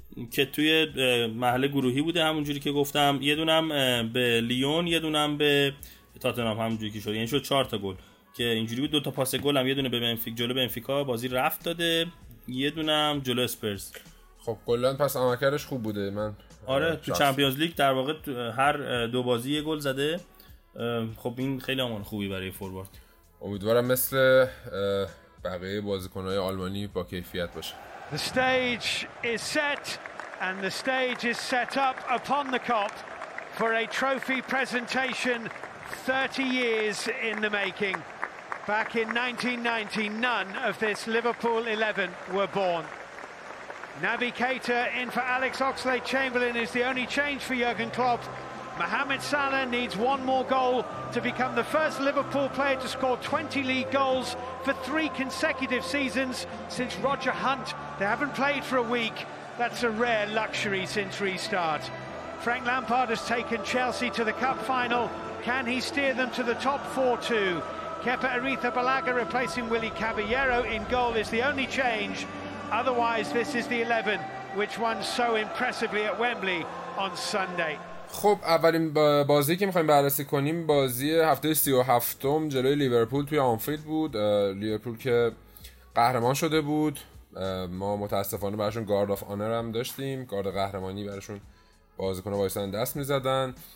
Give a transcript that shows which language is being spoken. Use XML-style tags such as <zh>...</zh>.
<fa>که توی محله گروهی بوده همونجوری که گفتم، یه دونم به لیون، یه دونم به تاتنهام همونجوری که شد، یعنی شد 4 تا گل که اینجوری بود. دو تا پاس گل هم یه دونه به بنفیکا، جلو بنفیکا بازی رفت داده، یه دونم جلو اسپرز. خب کلا پس عملکردش خوب بوده. من آره شخص. تو چمپیونز لیگ در واقع هر دو بازی یه گل زده، خب این خیلی آمار خوبی برای فوروارد. امیدوارم مثل بقیه بازیکن‌های آلمانی با کیفیت باشه.</fa> <en>The stage is set and the stage is set up upon the Kop for a trophy presentation 30 years in the making. Back in 1990 none of this Liverpool 11 were born. Naby Keita in for Alex Oxlade-Chamberlain is the only change for Jurgen Klopp. Mohamed Salah needs one more goal to become the first Liverpool player to score 20 league goals for 3 consecutive seasons since Roger Hunt. They haven't played for a week. That's a rare luxury since restart. Frank Lampard has taken Chelsea to the cup final. Can he steer them to the top 4-2? Kepa Arrizabalaga replacing Willy Caballero in goal is the only change. Otherwise, this is the 11 which won so impressively at Wembley on Sunday.</en> <fa>خب اولین بازی که می‌خوایم بررسی کنیم بازی هفته 37ام جلوی لیورپول توی آنفیلد بود. لیورپول که قهرمان شده بود، ما متاسفانه براشون گارد آف آنر هم داشتیم، گارد قهرمانی براشون بازیکن وایسن دست می‌زدن.</fa>